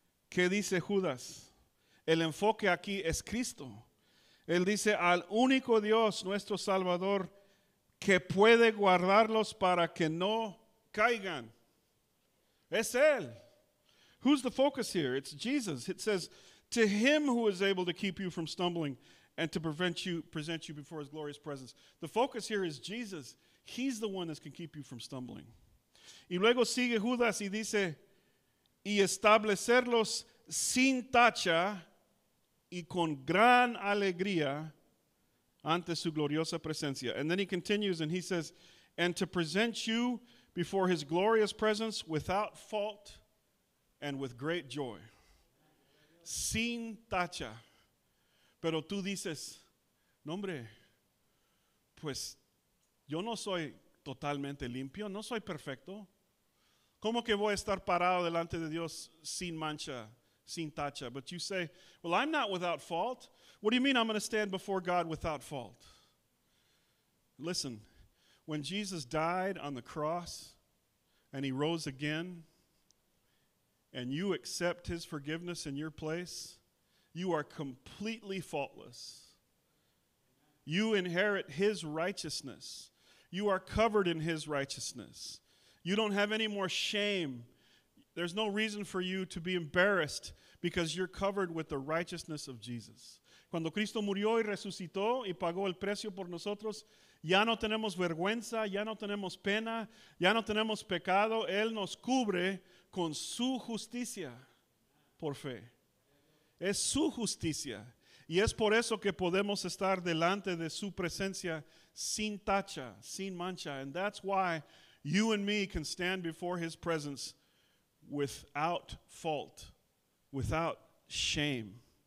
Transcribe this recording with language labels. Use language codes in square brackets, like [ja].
[es] ¿Qué dice Judas? El enfoque aquí es Cristo. Él dice al único Dios, nuestro Salvador, que puede guardarlos para que no caigan. Es Él. [en] Who's the focus here? It's Jesus. It says, to Him who is able to keep you from stumbling and to present you before His glorious presence. The focus here is Jesus. He's the one that can keep you from stumbling. [es] Y luego sigue Judas y dice, y establecerlos sin tacha y con gran alegría ante su gloriosa presencia. [en] And then he continues and he says, and to present you before His glorious presence without fault and with great joy. [es] Sin tacha. Pero tú dices, no hombre, pues yo no soy totalmente limpio, no soy perfecto. ¿Cómo que voy a estar parado delante de Dios sin mancha, sin tacha? [en] But you say, well, I'm not without fault. What do you mean I'm going to stand before God without fault? Listen, when Jesus died on the cross and He rose again and you accept His forgiveness in your place, you are completely faultless. You inherit His righteousness. You are covered in His righteousness. You don't have any more shame. There's no reason for you to be embarrassed because you're covered with the righteousness of Jesus. [es] Cuando Cristo murió y resucitó y pagó el precio por nosotros, ya no tenemos vergüenza, ya no tenemos pena, ya no tenemos pecado. Él nos cubre con su justicia por fe. Es su justicia. Y es por eso que podemos estar delante de su presencia sin tacha, sin mancha. [en] And that's why you and me can stand before His presence without fault, without shame.